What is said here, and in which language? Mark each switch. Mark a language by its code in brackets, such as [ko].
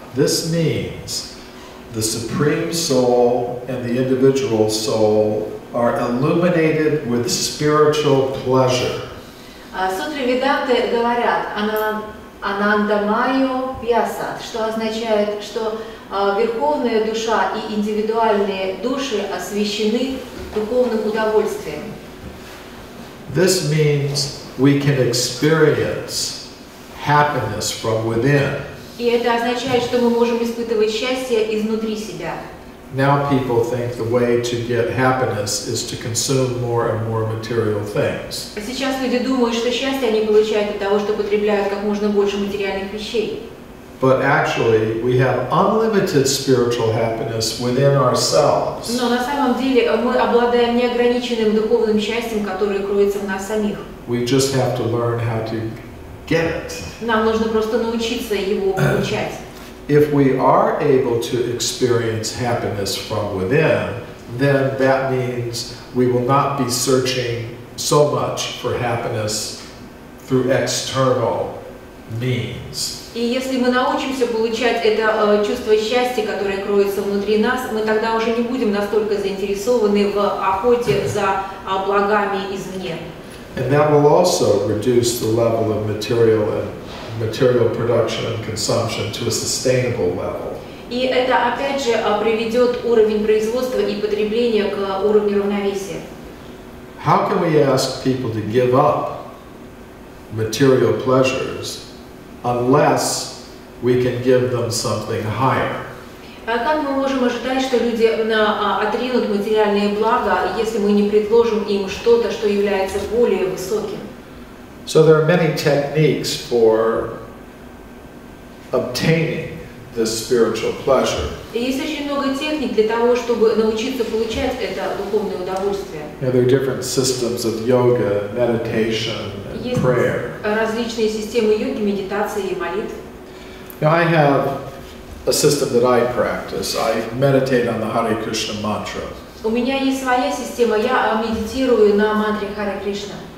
[en] This means the Supreme Soul and the individual soul are illuminated with spiritual pleasure. [ru] Сутры Веданты говорят, Анандамайо Вьясат, что означает, что верховная душа и индивидуальные души освящены духовным удовольствием. [en] This means we can experience happiness from within. [ru] И это означает, что мы можем испытывать счастье изнутри себя. [en] Now people think the way to get happiness is to consume more and more material things. [ru] Сейчас люди думают, что счастье они получают от того, что потребляют как можно больше материальных вещей. [en] But actually, we have unlimited spiritual happiness within ourselves. [ru] Но на самом деле мы обладаем неограниченным духовным счастьем, которое кроется в нас самих. [en] We just have to learn how to get it. [ru] Нам нужно просто научиться его получать. [en] If we are able to experience happiness from within, then that means we will not be searching so much for happiness through external means. [ru] И если мы научимся получать это чувство счастья, которое кроется внутри нас, мы тогда уже не будем настолько заинтересованы в охоте за благами извне. [en] And that will also reduce the level of material production and consumption to a sustainable level. [ru] И это опять же приведет уровень производства и потребления к уровню равновесия. [en] How can we ask people to give up material pleasures unless we can give them something higher? [ru] А как мы можем ожидать, что люди отринут материальные блага, если мы не предложим им что-то, что является более высоким? [en] So there are many techniques for obtaining this spiritual pleasure. [ru] Есть очень много техник для того, чтобы научиться получать это духовное удовольствие. [en] Now, there are different systems of yoga, meditation, and [ru] есть [en] prayer. [ru] Различные системы йоги, медитации и молитв. [en] Now, I have a system that I practice. I meditate on the Hare Krishna mantra. [ru] У меня есть своя система. Я медитирую на мантре Харе Кришна.